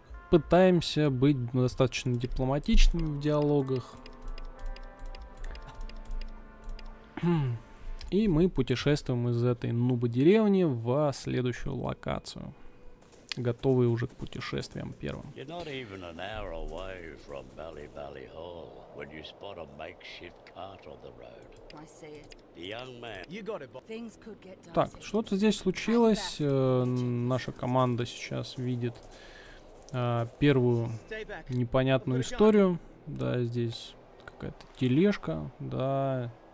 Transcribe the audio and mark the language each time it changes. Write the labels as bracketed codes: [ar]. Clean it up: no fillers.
[ru] Пытаемся быть достаточно дипломатичными в диалогах. И мы путешествуем из этой нуба-деревни в следующую локацию. Готовые уже к путешествиям первым. [en] You're not even an hour away from Ballyvally Hall when you spot a makeshift cart on the road. I see it. The young man. You got it. Things could get dicey. [ru] Так, что-то здесь случилось. Наша команда сейчас видит первую непонятную историю. Да, здесь какая-то тележка, да.